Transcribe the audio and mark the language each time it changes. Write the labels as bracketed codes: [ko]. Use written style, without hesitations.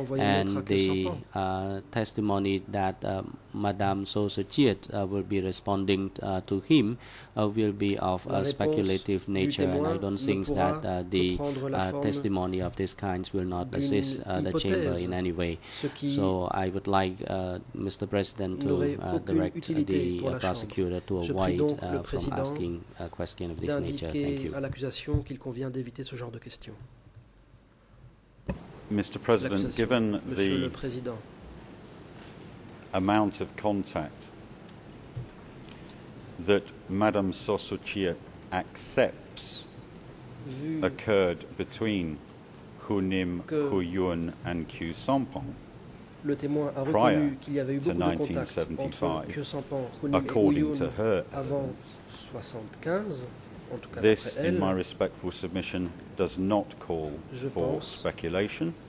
[en] And the testimony that Madame Sosotiet will be responding to him will be of a speculative nature. And I don't think that the testimony of this kind will not assist the chamber in any way. So I would like Mr. President to direct the prosecutor to avoid from asking a question of this nature. Thank you. [fr] À l'accusation qu'il convient d'éviter ce genre de question. [en] Mr. President, given the amount of contact that Madame Sosotiet accepts occurred between Hunim, Huyun and Kyu Sampong. [fr] Le témoin a reconnu qu'il y avait eu beaucoup de contacts entre Kyu Sampong, Hunim et Huyun avant 75. En tout cas, [en] this, [fr] elle, [en] in my respectful submission, does not call for speculation,